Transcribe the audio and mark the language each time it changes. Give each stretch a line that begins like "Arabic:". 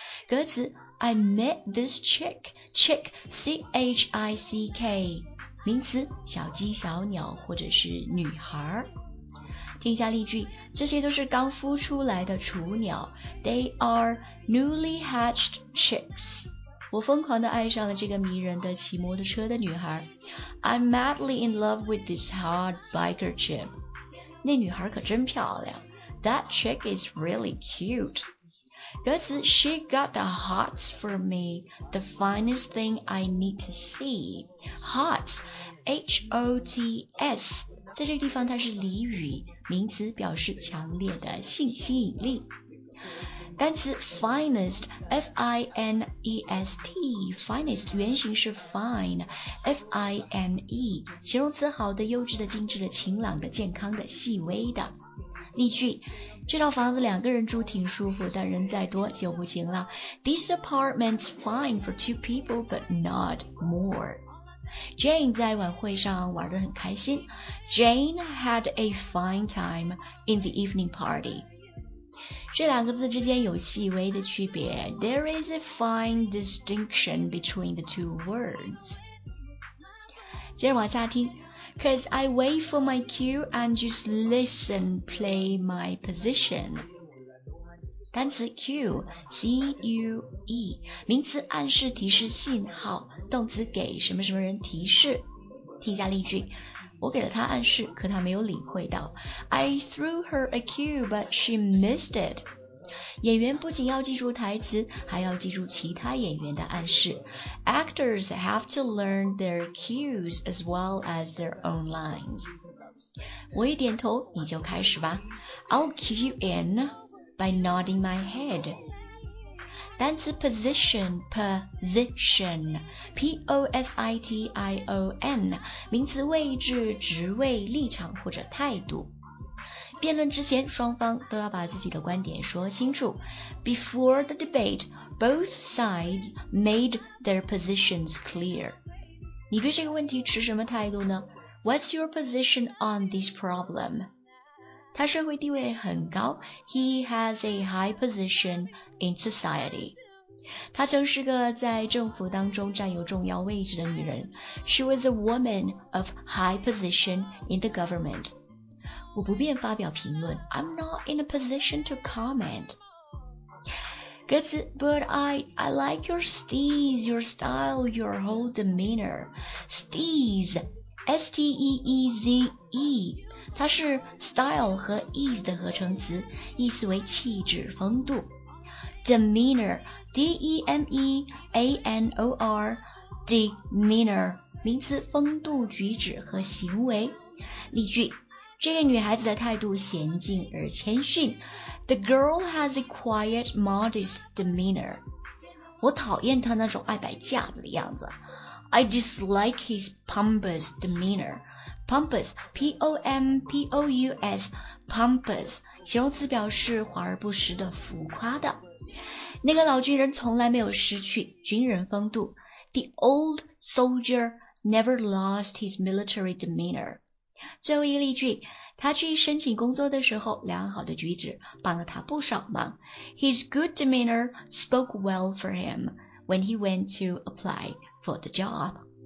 Chinese: 歌词
English: I met this chick,
Chinese: C-H-I-C-K, 名词小鸡小鸟或者是女孩。听一下例句，这些都是刚孵出来的雏鸟
English: They are newly hatched chicks。
Chinese: 我疯狂地爱上了这个迷人的骑摩托车的女孩。
English: I'm madly in love with this hot biker chick.
Chinese: 那女孩可真漂亮。
English: That chick is really cute. 歌词 She got the hots for me, the finest thing I need to see.
Chinese: Hots, H-O-T-S, 在这个地方它是俚语，名词表示强烈的性吸引力。单词 finest, F-I-N-E-S-T, finest, 原型是 fine, F-I-N-E, 形容词好的、优质的、精致的、晴朗的、健康的、细微的。例句，这套房子两个人住挺舒服，但人再多就不行了。
English: This apartment's fine for two people, but not more.
Chinese: Jane 在晚会上玩得很开心。
English: Jane had a fine time in the evening party.
Chinese: 这两个字之间有细微的区别。
English: There is a fine distinction between the two words.
Chinese: 接着往下听。
English: Cause I wait for my cue and just listen, play my position.
Chinese: 单词 cue, C-U-E, 名词暗示提示信号，动词给什么什么人提示。听一下例句，我给了她暗示，可她没有领会到。
English: I threw her a cue, but she missed it.
Chinese: 演员不仅要记住台词，还要记住其他演员的暗示。
English: Actors have to learn their cues as well as their own lines.
Chinese: 我一点头，你就开始吧。
English: I'll cue you in. By nodding my head.
Chinese: 单词 position, position, P-O-S-I-T-I-O-N, 名词位置、职位、立场或者态度。辩论之前，双方都要把自己的观点说清楚。
English: Before the debate, both sides made their positions clear.
Chinese: 你对这个问题持什么态度呢？
English: What's your position on this problem?
Chinese: 他社会地位很高
English: He has a high position in society
Chinese: 他曾是个在政府当中占有重要位置的女人
English: She was a woman of high position in the government
Chinese: 我不便发表评论
English: I'm not in a position to comment 歌词 But I like your steez, your style, your whole demeanor Steez, S-T-E-E-Z-E它是 style 和 ease
Chinese: 的合成词，意思为气质、风度。 Demeanor, D-E-M-E-A-N-O-R, demeanor, 名词风度、举止和行为。例句，这个女孩子的态度娴静而谦逊。
English: The girl has a quiet, modest demeanor.
Chinese: 我讨厌她那种爱摆架子的样子。
English: I dislike his pompous demeanor.
Chinese: Pompous, P-O-M-P-O-U-S, pompous, 形容词表示华而不实的、浮夸的。那个老军人从来没有失去军人风度。
English: The old soldier never lost his military demeanor.
Chinese: 最后一个例句，他去申请工作的时候，良好的举止帮了他不少忙。
English: His good demeanor spoke well for him when he went to apply for the job.